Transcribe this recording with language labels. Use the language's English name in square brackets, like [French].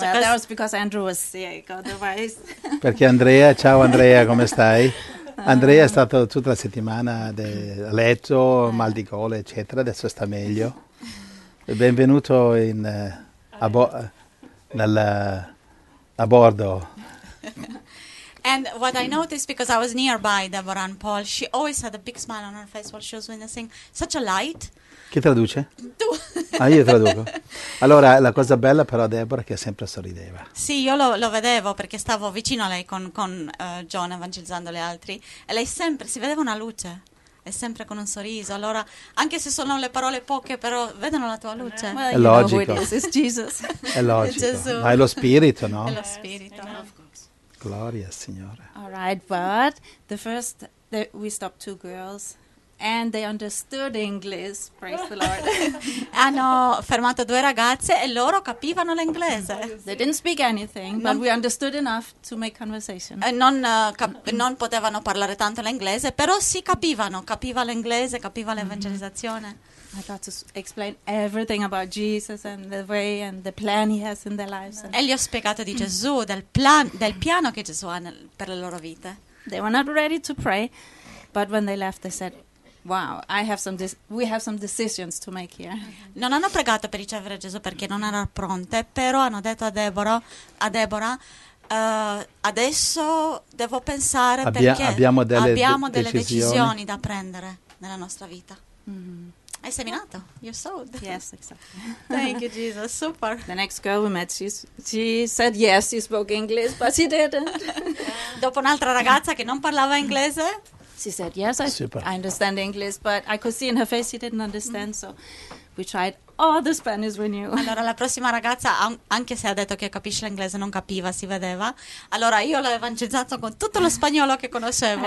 [English] Well, that was because Andrew was sick, otherwise. [Italian] Perché Andrea, ciao Andrea, come stai? Andrea è stato tutta la settimana a letto, mal di gola, eccetera, adesso sta meglio. Benvenuto a bordo. [English] And what I noticed, because I was nearby Deborah and Paul, she always had a big smile on her face while she was witnessing, such a light. [Italian] Chi traduce? Tu. Ah, io traduco. Allora, la cosa bella però Deborah è che sempre sorrideva. Sì, io lo vedevo perché stavo vicino a lei con John evangelizzando gli altri e lei sempre, si vedeva una luce. È sempre con un sorriso, allora anche se sono le parole poche, però vedono la tua luce. Well, è logico. [English] It's Jesus. [Italian] È logico. È Gesù. Ma è lo spirito, no? È lo spirito. Gloria, Signore. [English] All right, but the first we stopped two girls and they understood English, praise the Lord. [Italian] Hanno fermato due ragazze e loro capivano l'inglese. [English] They didn't speak anything, but we understood enough to make conversation. [Italian] Non potevano parlare tanto l'inglese, però si capivano, capiva l'inglese, capiva l'evangelizzazione. [English] I got to explain everything about Jesus and the way and the plan he has in their lives. [Italian] E gli ho spiegato di Gesù, del piano che Gesù ha per le loro vite. [English] They were not ready to pray, but when they left they said, wow, we have some decisions to make here. [Italian] Non hanno pregato per ricevere Gesù perché non erano pronte, però hanno detto a Deborah, adesso devo pensare abbiamo delle decisioni da prendere nella nostra vita. Mm-hmm. Hai seminato? [English] You sowed? Yes, exactly. Thank you, Jesus. Super. The next girl we met, she said yes, she spoke English, but she didn't. [Italian] Dopo un'altra ragazza che non parlava inglese. [English] She said, yes, I understand English, but I could see in her face she didn't understand, so we tried all the Spanish we knew. [Italian] Allora, la prossima ragazza, anche se ha detto che capisce l'inglese, non capiva, si vedeva. Allora, io l'ho evangelizzato con tutto lo spagnolo che conoscevo.